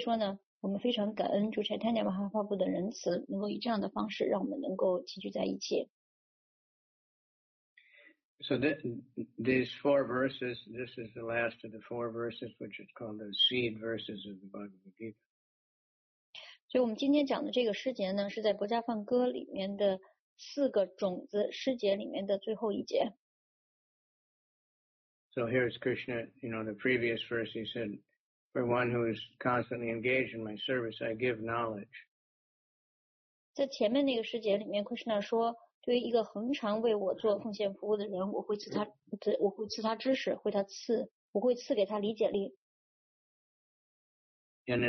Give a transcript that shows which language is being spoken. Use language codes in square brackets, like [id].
[zh] 因为在现在的这个年代呢，出于各种各样的原因，大家可能有非常忙碌的安排，以及呢，不容易的旅行的这种方式，使得我们大面积的、大范围的奉献者一起联谊，并不是一件很容易的事情。所以说呢，我们非常感恩主 Chaitanya Mahaprabhu的仁慈，能够以这样的方式让我们能够齐聚在一起。 [en] So these four verses, this is the last of the four verses, which is called the seed verses of the Bhagavad Gita. [zh] 所以我们今天讲的这个诗节呢，是在《博伽梵歌》里面的四个种子诗节里面的最后一节。 [en] So here is Krishna, you know, the previous verse he said, for one who is constantly engaged in my service, I give knowledge. [zh] 在前面那个诗节里面，Krishna说， 对于一个恒常为我做奉献服务的人，我会赐他知识，会赐给他理解力。 [en] And